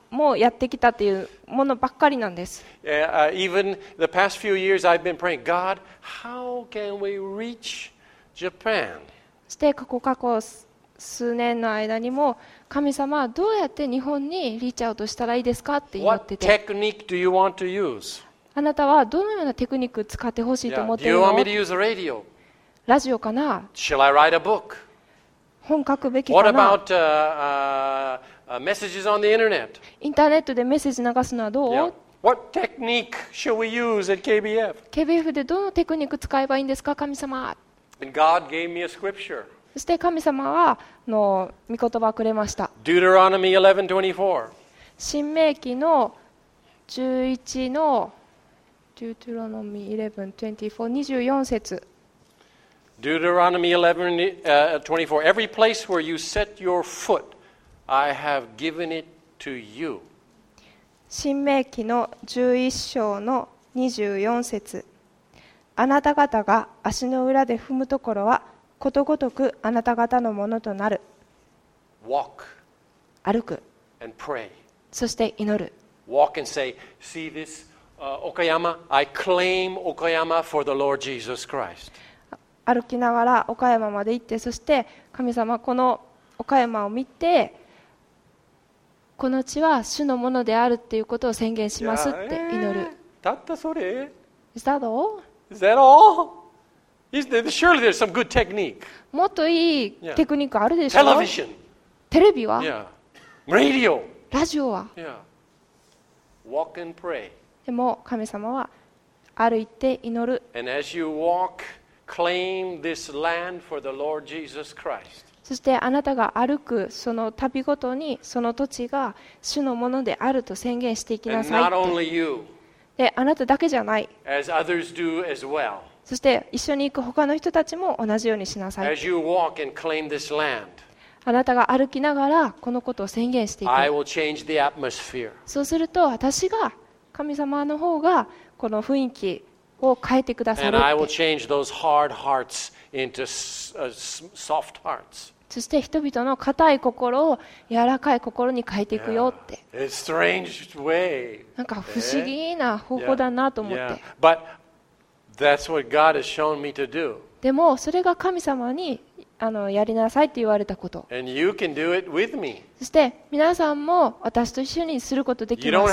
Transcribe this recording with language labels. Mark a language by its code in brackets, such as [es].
[ja] もうやってきたっていうものばっかりなんです。 [en] Even the past few years, I've been praying, God, how can we reach Japan? [ja] そして過去数年の間にも、神様はどうやって日本にリーチアウトしたらいいですかって言ってて。 [en] What technique do you want to use? [ja] あなたはどのようなテクニックを使ってほしいと思っているの? [en] Yeah. Do you want me to use a radio? [ja] ラジオかな? [en] Shall I write a book? [ja] 本書くべきか [en] な? What about, messages on the internet. [ja] インターネットでメッセージ流すのはどう? [en] Yeah. What technique shall we use at KBF? [ja] KBF でどのテクニック使えばいいんですか、神様? [en] And God gave me a scripture. [ja] そして神様は御言葉をくれました。 [en] Deuteronomy 11:24. [ja] 新命記の11の Deuteronomy 11:24 節。 [en] Deuteronomy 11:24. Every place where you set your foot. I have given it to you. [ja] 新命記の11章の24節。あなた方が足の裏で踏むところはことごとくあなた方のものとなる。 [en] Walk. [ja] 歩く。 [en] And pray. [ja] そして祈る。 [en] Walk and say, see this, Okayama, I claim Okayama for the Lord Jesus Christ. [ja] 歩きながら岡山まで行って、そして神様この岡山を見て、この地は主のものであるっていうことを宣言しますって祈る。たったそれ。 [en] Is that all? Is that all? Is there, surely there's some good technique. [ja] もっといいテクニックあるでし [en] ょ?Television. [ja] テレビは? [en] Yeah. Radio. [ja] ラジオは? [en] Yeah. Walk and pray. [ja] でも神様は歩いて祈る。 [en] And as you walk, claim this land for the Lord Jesus Christ. [ja] そしてあなたが歩くその旅ごとにその土地が主のものであると宣言していきなさいって。で、あなただけじゃない。 [en] As others do as well. [ja] そして一緒に行く他の人たちも同じようにしなさいって。 [en] As you walk and claim this land, [ja] あなたが歩きながらこのことを宣言していく。 [en] I will change the atmosphere. [ja] そうすると私が神様の方がこの雰囲気を変えてくださるって。 [en] And I will change those hard heartsinto soft hearts. [ja] そして人々の硬い心を柔らかい心に変えていくよって。 [en] Yeah. It's a strange way. [ja] なんか不思議な方法だなと思って。 [en] Yeah. Yeah. But that's what God has shown me to do. [ja] でもそれが神様にやりなさいって言われたこと。 [en] And you can do it with me. [ja] そして皆さんも私と一緒にすることできます。